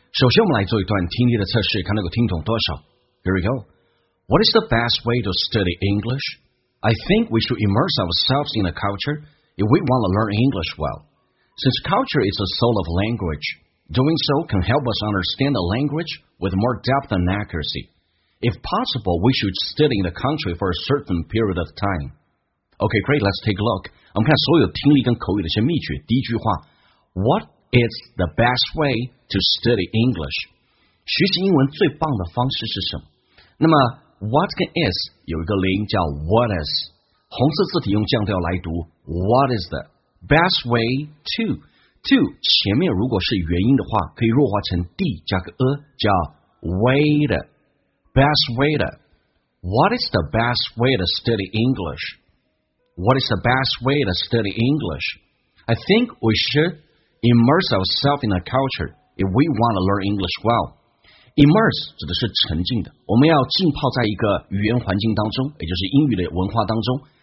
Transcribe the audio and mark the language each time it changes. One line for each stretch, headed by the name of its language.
Chinese: 首先我们来做一段听力的测试，看能够听懂多少。
English: Here we go. What is the best way to study English? I think we should immerse ourselves in a culture if we want to learn English well. Since culture is the soul of language, doing so can help us understand the language with more depth and accuracy. If possible, we should study in the country for a certain period of time. Okay, great, let's take a look.
Chinese: 我们看所有听力跟口语的一些秘诀。第一句话
English: ，What is the best way to study English？
Chinese: 学习英文最棒的方式是什么？那么 What 跟 is 有一个连音叫 What is？红色字体用降调来读
English: What is the best way to？
Chinese: To 前面如果是元音的话，可以弱化成 d 加个 a， 叫 way to best way to。
English: What is the best way to study English？ What is the best way to study English? I think we should immerse ourselves in a culture if we want to learn English well.
Chinese: Immerse 指的是沉浸的，我们要浸泡在一个语言环境当中，也就是英语的文化当中。